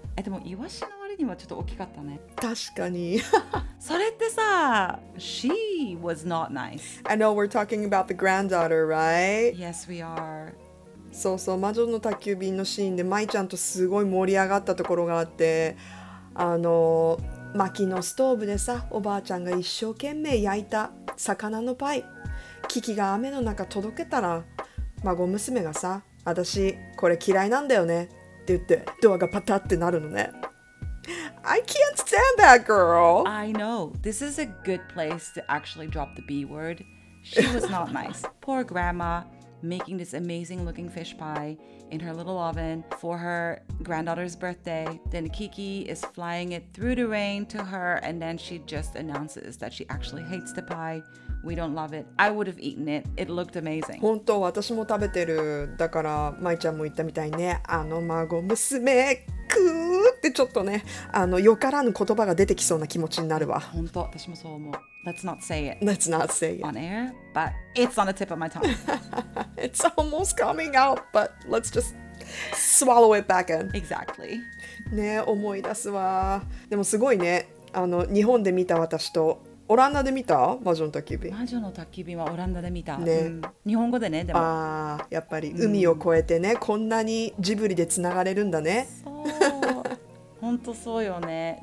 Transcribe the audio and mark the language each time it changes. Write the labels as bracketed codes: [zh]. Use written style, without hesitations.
[ja] でもイワシの割にはちょっと大きかったね。確かに。それってさ、 [en] She was not nice. I know we're talking about the granddaughter, right? Yes, we are. [ja] そうそう、魔女の宅急便のシーンで舞ちゃんとすごい盛り上がったところがあって、あの薪のストーブでさおばあちゃんが一生懸命焼いた魚のパイ、キキが雨の中届けたら孫娘がさ、私これ嫌いなんだよねって言ってドアがパタってなるのね。 [en] I can't stand that girl. I know. This is a good place to actually drop the B word. She was not nice. Poor grandma making this amazing looking fish pie in her little oven for her granddaughter's birthday. Then Kiki is flying it through the rain to her, and then she just announces that she actually hates the pie. We don't love it. I would have eaten it. It looked amazing. [ja] 本当、私も食べてる。だから、舞ちゃんも言ったみたいね。あの孫娘、くーってちょっとね、あのよからぬ言葉が出てきそうな気持ちになるわ。本当、私もそう思う。 [en] Let's not say it. Let's not say it. On air, but it's on the tip of my tongue. It's almost coming out, but let's just swallow it back in. Exactly. [ja] ね、思い出すわ。でもすごいね。あの、日本で見た私とオランダで見た魔女の宅急便。魔女の宅急便はオランダで見た。ね、うん、日本語でね、でも。ああ、やっぱり海を越えてね、うん、こんなにジブリでつながれるんだね。そう。本当そうよね。